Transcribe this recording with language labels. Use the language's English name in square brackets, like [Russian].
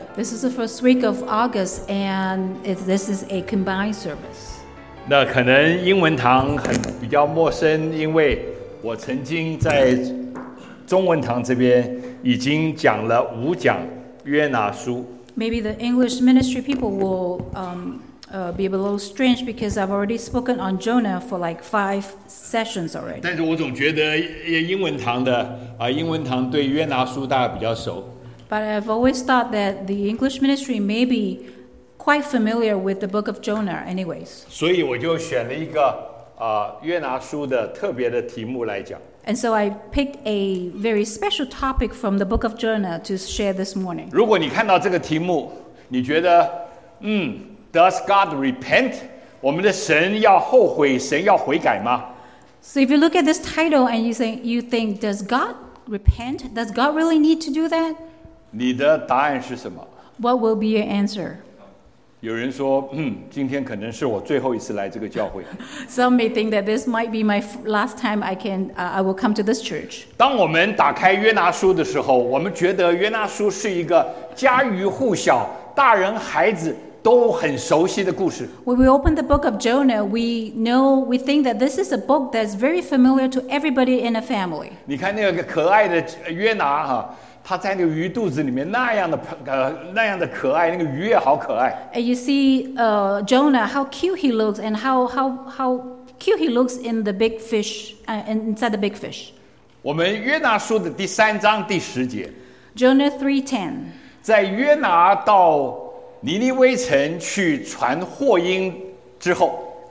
[English] This is the first week of August, and this is a combined service. [Chinese] 那可能英文堂很比较陌生，因为我曾经在中文堂这边已经讲了五讲约拿书。 [English] Maybe the English ministry people will be a little strange because I've already spoken on Jonah for like five sessions already. [Chinese] 但是我总觉得英文堂的英文堂对约拿书大家比较熟。 [English] But I've always thought that the English ministry may be quite familiar with the book of Jonah anyways. [Chinese] 所以我就选了一个约拿书的特别的题目来讲。 [English] And so I picked a very special topic from the book of Jonah to share this morning. [Chinese] 如果你看到这个题目，你觉得 [English] Does God repent? [Chinese] 我们的神要后悔，神要悔改吗？ [English] So if you look at this title and you think, does God repent? Does God really need to do that? [Chinese] 你的答案是什么？ [English] What will be your answer? [Chinese] 有人说，今天可能是我最后一次来这个教会。 [English] Some may think that this might be my last time I will come to this church. [Chinese] 当我们打开约拿书的时候，我们觉得约拿书是一个家喻户晓，大人孩子都很熟悉的故事。 [English] When we open the book of Jonah, we think that this is a book that's very familiar to everybody in a family. [Chinese] 你看那个可爱的约拿哈，他在那个鱼肚子里面那样的可爱，那个鱼也好可爱。 [English] And you see, Jonah, how cute he looks, and how cute he looks in the big fish, inside the big fish. [Chinese] 我们约拿书的第三章第十节。 [English] Jonah 3:10. [Chinese] 在约拿到尼尼微城去传祸音之后，